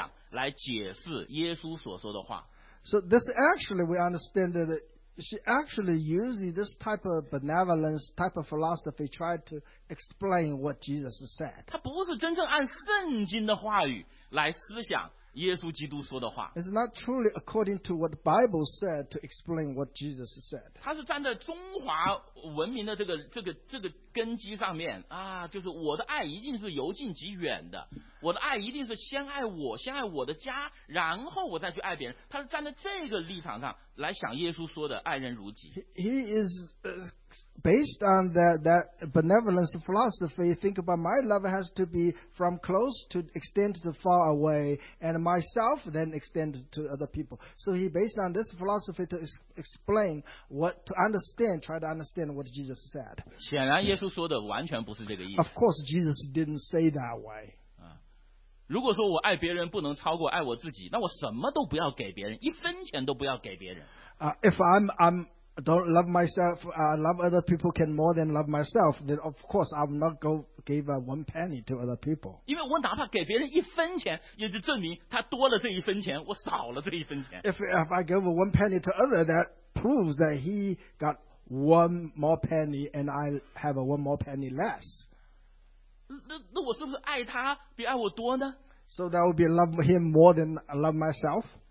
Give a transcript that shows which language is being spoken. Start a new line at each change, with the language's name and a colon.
Chinese: 但是我们心里明白，她其实是用中国几千年这种所谓的仁爱的这种思想来解释耶稣所说的话。
English: So this actually, we understand that she actually uses this type of benevolence, type of philosophy, tried to explain what Jesus said.
Chinese: 她不是真正按圣经的话语来思想。
English: It's not truly according to what the Bible said to explain what Jesus said.
Chinese: 他是站在中华文明的这个根基上面啊，就是我的爱一定是由近及远的，我的爱一定是先爱我，先爱我的家，然后我再去爱别人。他是站在这个立场上来想耶稣说的爱人如己。He
English: is based on that benevolence philosophy. Think about my love has to be from close to extend to far away, and myself then extend to other people. So he based on this philosophy to explain what to understand, try to understand what Jesus said.
Chinese: 显然耶稣说的完全不是这个意思。
English: Of course, Jesus didn't say that way.
Chinese: 如果说我爱别人不能超过爱我自己，那我什么都不要给别人，一分钱都不要给别人。
English: If I'm don't love myself, love other people can more than love myself, then of course I'm not going to give one penny to other people.
Chinese: 因为我哪怕给别人一分钱，也就证明他多了这一分钱，我少了这一分钱。
English: If I give one penny to other, that proves that he got one more penny and I have one more penny less.
Chinese: 那我是不是爱他比爱我多呢？
English: So that would be love him more than love myself.